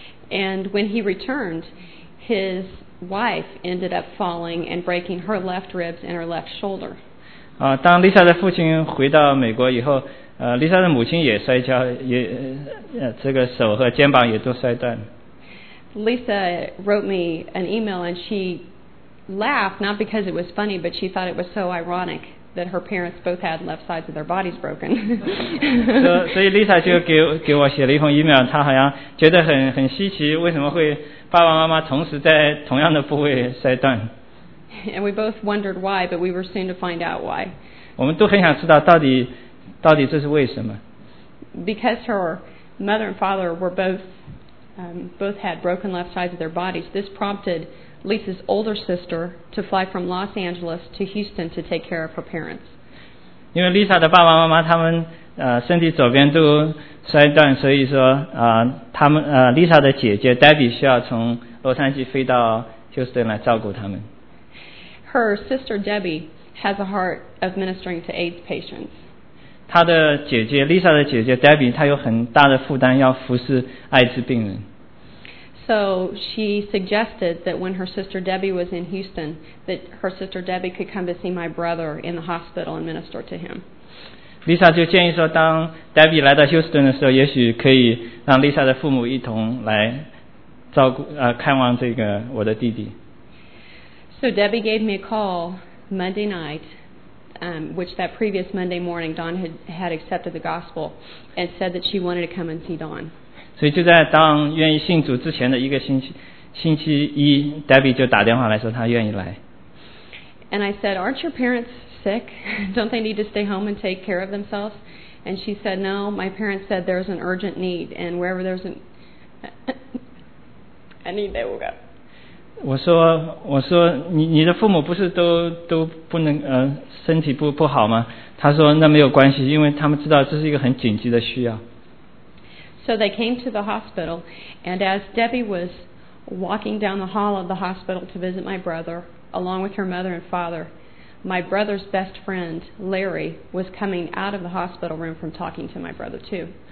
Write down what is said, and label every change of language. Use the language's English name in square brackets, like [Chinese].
[English] And when he returned, his wife ended up falling and breaking her left ribs and her left shoulder. [Chinese] 当 Lisa 的父亲回到美国以后，Lisa 的母亲也摔跤，这个手和肩膀也都摔断。 [English] Lisa wrote me an email and she. Laughed not because it was funny, but she thought it was so ironic that her parents both had left sides of their bodies broken. [Chinese] So Lisa 就给我写了一封 email， 她好像觉得很稀奇，为什么会爸爸妈妈同时在同样的部位摔断 [English] ？And we both wondered why, but we were soon to find out why. [Chinese] 我们都很想知道到底这是为什么 [English] ？Because her mother and father were both had broken left sides of their bodies. This prompted. Lisa's older sister to fly from Los Angeles to Houston to take care of her parents. [Chinese] 因为 Lisa 的爸爸妈妈他们身体左边都摔断，所以说Lisa 的姐姐 Debbie 需要从洛杉矶飞到 Houston 来照顾他们。 [English] Her sister Debbie has a heart of ministering to AIDS patients. [Chinese] 她的姐姐 Lisa 的姐姐 Debbie 她有很大的负担要服侍艾滋病人。 [English] So she suggested that when her sister Debbie was in Houston, that her sister Debbie could come to see my brother in the hospital and minister to him. [Chinese] Lisa 就建议说，当 Debbie 来到 Houston 的时候，也许可以让 Lisa 的父母一同来照顾看望这个我的弟弟。 [English] So Debbie gave me a call Monday night, which that previous Monday morning Don had accepted the gospel, and said that she wanted to come and see Don. [Chinese] 所以就在当愿意信主之前的一个星期一 ，Debbie 就打电话来说她愿意来。 [English] And I said, "Aren't your parents sick? Don't they need to stay home and take care of themselves?" And she said, "No, my parents said there's an urgent need, and wherever there's a need, they will go." [Chinese] 我说 你的父母不是都不能身体 不好吗？他说那没有关系，因为他们知道这是一个很紧急的需要。 [English] So they came to the hospital, and as Debbie was walking down the hall of the hospital to visit my brother, along with her mother and father, my brother's best friend, Larry, was coming out of the hospital room from talking to my brother too.